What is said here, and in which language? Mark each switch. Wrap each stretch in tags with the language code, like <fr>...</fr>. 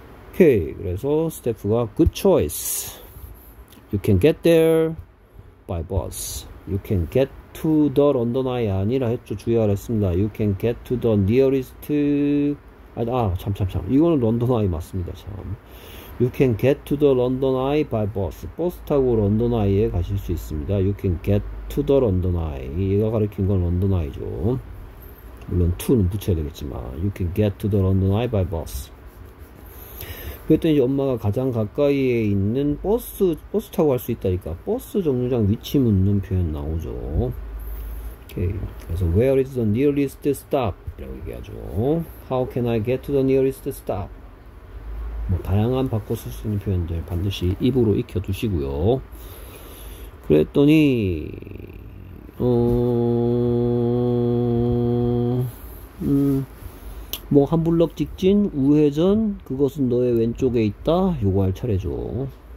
<ko>오케이. 그래서 스태프가,</ko> <en>good choice. You can get there by bus. You can get to the London Eye</en> <ko>아니라 했죠. 주의하라 했습니다.</ko> <en>You can get to the nearest.</en> <ko>아, 참. 이거는 런던 아이 맞습니다. 참.</ko> <en>You can get to the London Eye by bus.</en> <ko>버스 타고 런던 아이에 가실 수 있습니다.</ko> <en>You can get to the London Eye.</en> <ko>얘가 가리킨 건 런던 아이죠. 물론 to는 붙여야 되겠지만,</ko> <en>You can get to the London Eye by bus.</en> <ko>그랬더니 이제 엄마가 가장 가까이에 있는 버스 타고 갈수 있다니까. 버스 정류장 위치 묻는 표현 나오죠. 오케이. 그래서</ko> <en>Where is the nearest stop?</en> <ko>이라고 얘기하죠.</ko> <en>How can I get to the nearest stop?</en> <ko>뭐 다양한 바꿔 쓸수 있는 표현들 반드시 입으로 익혀 두시고요. 그랬더니 뭐한 블럭 직진 우회전 그것은 너의 왼쪽에 있다 요거 할 차례죠.</ko>